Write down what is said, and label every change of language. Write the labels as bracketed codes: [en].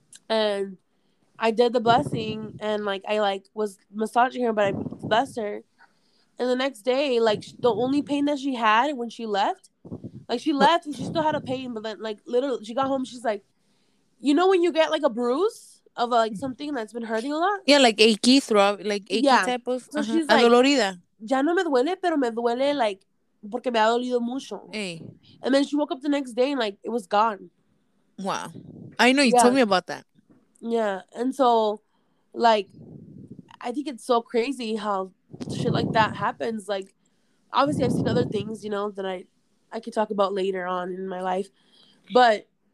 [en] And I did the blessing, and, like, I, like, was massaging her, but I blessed her. And the next day, like, the only pain that she had when she left, like, she left, and she still had a pain, but then, like, literally, she got home, she's like, you know when you get, like, a bruise? Of, like, something that's been hurting a lot? Yeah, like, achy throb, like, achy type of... So she's like, adolorida. [es] Ya no me duele, pero me duele, like, porque me ha dolido mucho. [en] Hey. And then she woke up the next day, and, like, it was gone. Wow. I know, you told me about that. Yeah, and so, like, I think it's so crazy how shit like that happens. Like, obviously, I've seen other things, you know, that I could talk about later on in my life. But...